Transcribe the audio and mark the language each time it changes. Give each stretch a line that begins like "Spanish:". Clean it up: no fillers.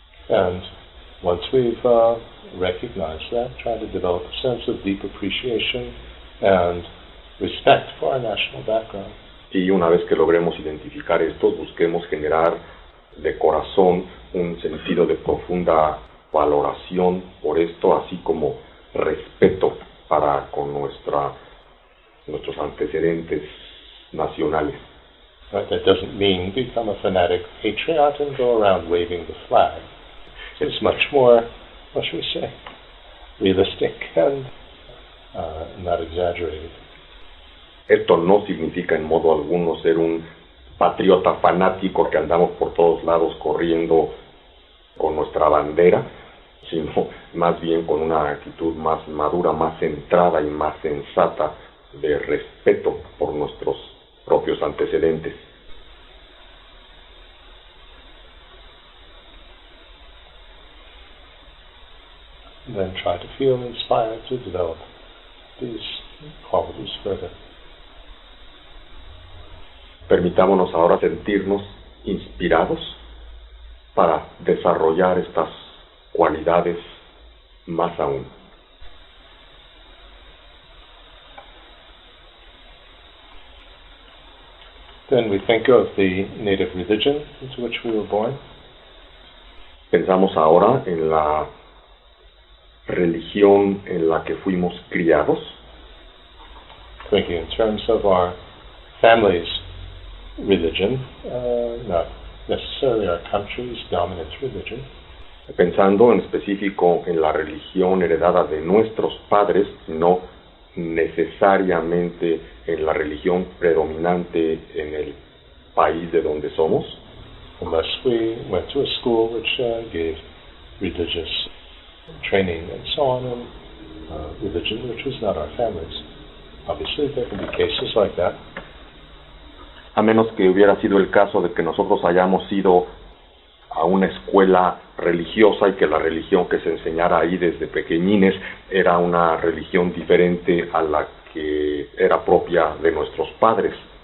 English: And once we've recognized that, try to develop a sense of deep appreciation and respect for our national background.
Spanish: Y una vez que logremos identificar esto, busquemos generar de corazón un sentido de profunda valoración por esto, así como respeto para con nuestros antecedentes nacionales.
English: Right, that doesn't mean become a fanatic patriot and go around waving the flag. It's much more, what should we say, realistic and not exaggerated.
Spanish: Esto no significa en modo alguno ser un patriota fanático que andamos por todos lados corriendo con nuestra bandera, sino más bien con una actitud más madura, más centrada y más sensata de respeto por nuestros propios antecedentes.
English: Then try to feel inspired to develop these qualities further.
Spanish: Permitámonos ahora sentirnos inspirados para desarrollar estas cualidades más aún.
English: Then we think of the native religion into which we were born.
Spanish: Pensamos ahora en la religión en la que fuimos criados.
English: Thinking in terms of our families. Religion, not necessarily our country's dominant religion.
Spanish: Pensando en específico en la religión heredada de nuestros padres, no necesariamente en la religión predominante en el país de donde somos.
English: Unless we went to a school which gave religious training and so on, and religion which was not our family's. Obviously, there can be cases like that.
Spanish: A menos que hubiera sido el caso de que nosotros hayamos ido a una escuela religiosa y que la religión que se enseñara ahí desde pequeñines era una religión diferente a la que era propia de nuestros padres.